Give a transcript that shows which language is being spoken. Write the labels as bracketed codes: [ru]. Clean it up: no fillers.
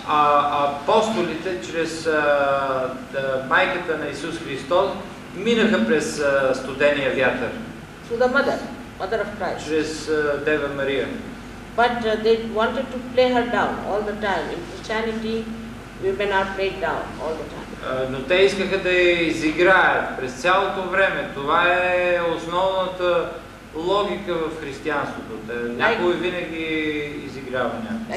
[bg] Апостолите чрез майката на Исус Христос минаха през студения вятър. [en] Through the mother of Christ. [bg] Чрез Дева Мария. [en] But they wanted to play her down all the time. In Christianity, women are played down all the time. [bg] Но те искаха да я изиграят през цялото време. Това е основната логика в християнството. Някой винаги изиграва някой.